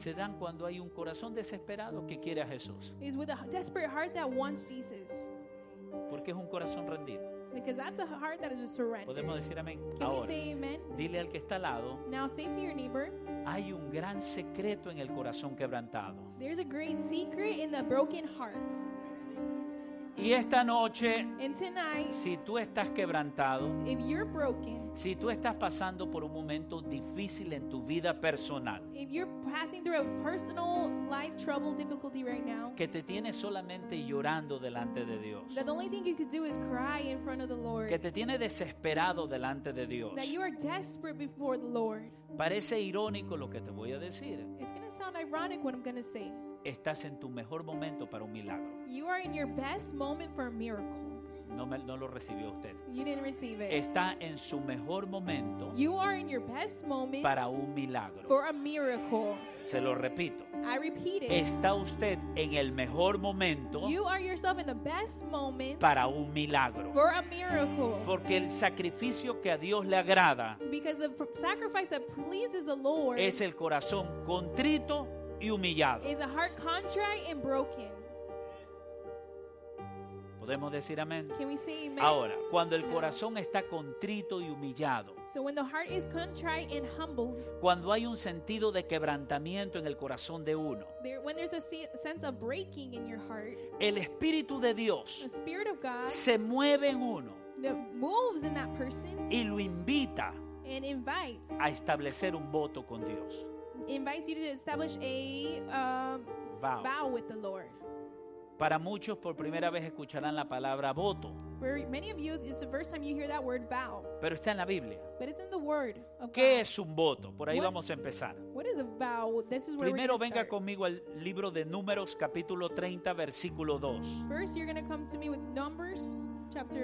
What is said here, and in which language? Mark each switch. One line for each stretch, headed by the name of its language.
Spanish: Se dan cuando hay un corazón desesperado que quiere a Jesús.
English: Is with a desperate heart that wants Jesus.
Spanish: Porque es un corazón rendido.
English: Because that's a heart that is just surrendered.
Spanish: Podemos decir amén.
English: Can
Spanish: ahora,
English: we say amen?
Spanish: Dile al que está al lado.
English: Now say to your neighbor.
Spanish: Hay un gran secreto en el corazón quebrantado.
English: There's a great secret in the broken heart.
Spanish: Y esta noche,
English: and tonight,
Spanish: si tú estás quebrantado,
English: if you're broken,
Spanish: si tú estás pasando por un momento difícil en tu vida personal,
English: if you're passing through a personal life trouble, difficulty right now,
Spanish: que te tiene solamente llorando delante de Dios,
English: that the only thing you could do is cry in front of the Lord,
Spanish: que te tiene desesperado delante de Dios,
English: that you are desperate before the Lord,
Spanish: parece irónico lo que te voy a decir.
English: It's going to sound ironic what I'm going to say.
Spanish: Estás en tu mejor momento para un milagro.
English: You are in your best moment for a miracle.
Spanish: No lo recibió usted.
English: You didn't receive it.
Spanish: Está en su mejor momento.
English: You are in your best moment
Spanish: para un milagro.
English: For a miracle.
Spanish: Se lo repito.
English: I repeat it.
Spanish: Está usted en el mejor momento.
English: You are yourself in the best moment
Spanish: para un milagro.
English: For a miracle.
Spanish: Porque el sacrificio que a Dios le agrada,
English: because the sacrifice that pleases the Lord,
Spanish: es el corazón contrito y humillado.
English: Is a heart contrite and broken.
Spanish: ¿Podemos decir amén?
English: Can we say amen?
Spanish: Ahora, cuando el corazón está contrito y humillado,
English: so when the heart is contrite and humbled,
Spanish: cuando hay un sentido de quebrantamiento en el corazón de uno,
English: there, when there's a sense of breaking in your heart,
Spanish: el Espíritu de Dios,
English: the Spirit of God,
Spanish: se mueve en uno,
English: that moves in that person,
Spanish: y lo invita,
English: and invites,
Spanish: a establecer un voto con Dios.
English: Invites you to establish a vow with the Lord.
Spanish: Para muchos por primera vez escucharán la palabra voto.
English: For many of you, it's the first time you hear that word vow.
Spanish: Pero está en la Biblia.
English: But it's in the word.
Spanish: ¿Qué es un voto? Por ahí vamos a empezar.
English: What is a vow? This is where
Spanish: primero venga conmigo al libro de Números, capítulo 30, versículo 2.
English: First, you're going to come to me with Numbers, chapter